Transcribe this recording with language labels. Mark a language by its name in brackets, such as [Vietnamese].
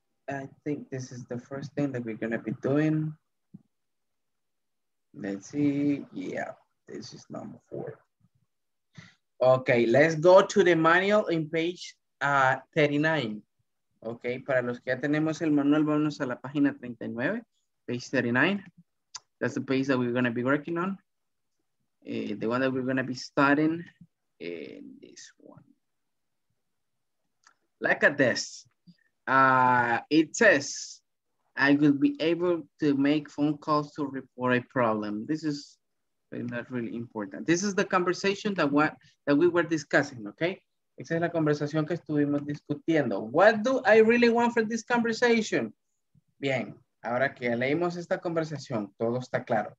[English] I think this is the first thing that we're going to be doing. Let's see. Yeah, this is number 4. Okay, let's go to the manual in page 39. [Spanish] Okay, para los que ya tenemos el manual, vamos a la página 39, [English] page 39. [Spanish] That's the page that we're going to be working on. The one that we're going to be starting in this one. Look at this. It says, I will be able to make phone calls to report a problem. This is not really important. This is the conversation that we were discussing, okay? Esa es la conversación que estuvimos discutiendo. [English] What do I really want from this conversation? [Spanish] Bien, ahora que leímos esta conversación, todo está claro.